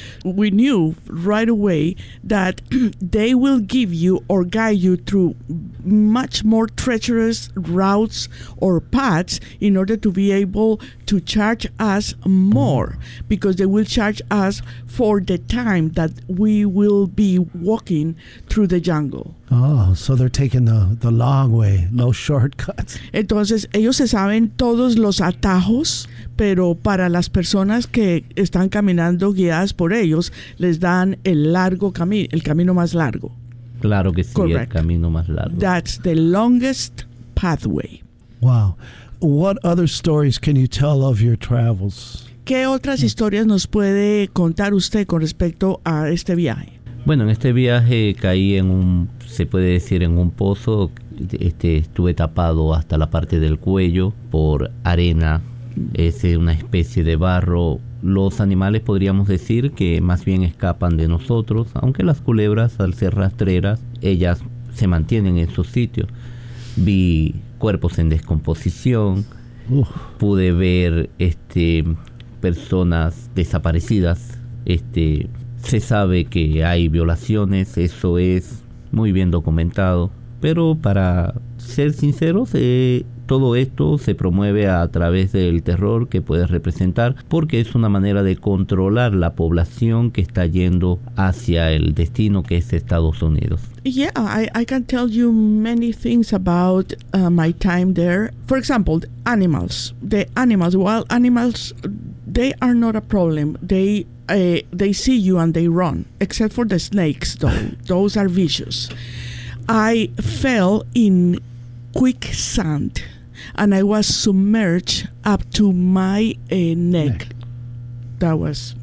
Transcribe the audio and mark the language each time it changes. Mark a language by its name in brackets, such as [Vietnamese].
[English] We knew right away that they will give you or guide you through much more treacherous routes or paths in order to be able to charge us more, because they will charge us for the time that we will be walking through the jungle. Oh, so they're taking the long way, no shortcuts. [Spanish] Entonces, ellos se saben todos los atajos, pero para las personas que están caminando guiadas por ellos, les dan el largo camino, el camino más largo. Claro que sí, correct. El camino más largo. [English] That's the longest pathway. Wow. What other stories can you tell of your travels? [Spanish] ¿Qué otras historias nos puede contar usted con respecto a este viaje? Bueno, en este viaje caí en un, se puede decir, en un pozo. Estuve tapado hasta la parte del cuello por arena. Es una especie de barro. Los animales, podríamos decir, que más bien escapan de nosotros, aunque las culebras, al ser rastreras, ellas se mantienen en su sitio. Vi cuerpos en descomposición. Pude ver personas desaparecidas. Se sabe que hay violaciones, eso es muy bien documentado. Pero para ser sinceros, todo esto se promueve a través del terror que puede representar, porque es una manera de controlar la población que está yendo hacia el destino que es Estados Unidos. [English] Yeah, I can tell you many things about my time there. For example, wild animals, they are not a problem. They see you and they run, except for the snakes, though. Those are vicious. I fell in quicksand and I was submerged up to my neck. That was